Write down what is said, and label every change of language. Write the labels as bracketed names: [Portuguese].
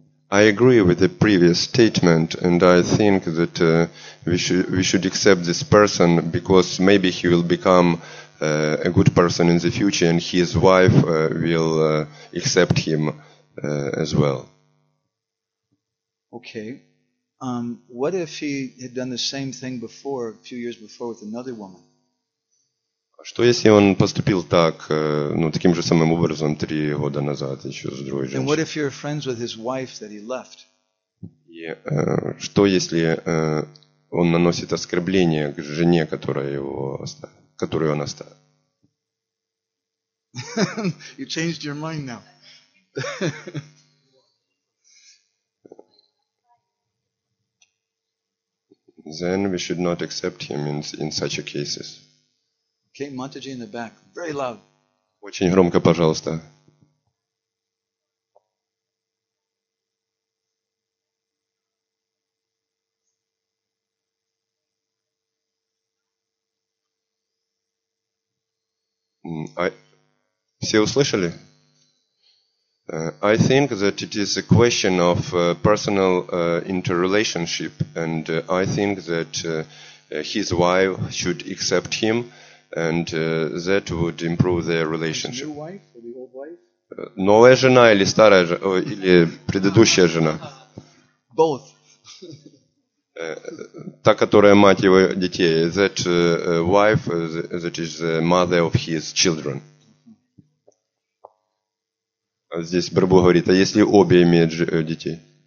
[English] I agree with the previous statement, and I think that we should accept this person because maybe he will become a good person in the future, and his wife will accept him as well. Okay. What if he had done the same thing before, a few years before, with another woman? [Russian] Что если он поступил так, ну, таким же самым образом 3 года назад еще с другой женщиной? [English] And what if you're friends with his wife that he left? [Russian] И, что если он наносит оскорбление к жене, которую он оставил? [English] You changed your mind now. Then we should not accept him in such a cases. Okay, Mataji in the back, very loud. [Russian] Очень громко, пожалуйста. Все услышали? [English] I think that it is a question of personal interrelationship, and I think that his wife should accept him, and that would improve their relationship. His new wife or the old wife? [Russian] Новая жена или старая жена, или предыдущая жена? [English] Both. [Russian] Та, которая мать его детей. [English] That wife that is the mother of his children. [Russian] Здесь Барбу говорит, а если обе имеют детей?